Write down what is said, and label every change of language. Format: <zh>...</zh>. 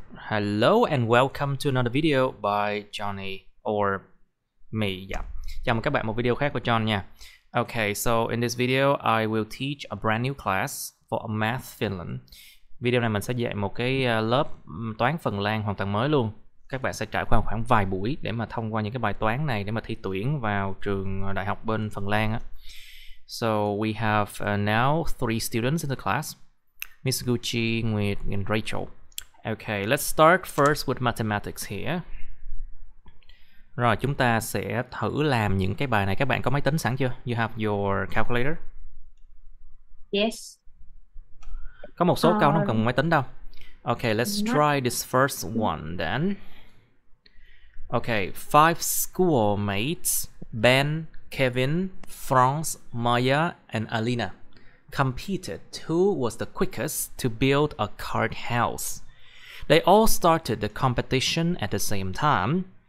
<en>Hello and welcome to another video by Johnny or me. Yeah.</en> <vi>Chào mừng các bạn một video khác của John nha.</vi> <en>Okay, so in this video I will teach a brand new class for a Math Finland.</en> <vi>Video này mình sẽ dạy một cái lớp toán Phần Lan hoàn toàn mới luôn. Các bạn sẽ trải qua khoảng vài buổi để mà thông qua những cái bài toán này để mà thi tuyển vào trường đại học bên Phần Lan á.</vi> <en>So we have now three students in the class. Miss Gucci, Nguyệt and Rachel. Okay, let's start first with mathematics here.</en> <vi>Rồi, chúng ta sẽ thử làm những cái bài này. Các bạn có máy tính sẵn chưa?</vi> <en>You have your calculator? Yes.</en> <vi>Có một số câu nó không cần máy tính đâu.</vi> <en>Okay, let's try this first one then. Okay, five schoolmates, Ben, Kevin, Franz, Maya, and Alina, competed who was the quickest to build a card house. They all started the competition at the same time.</en>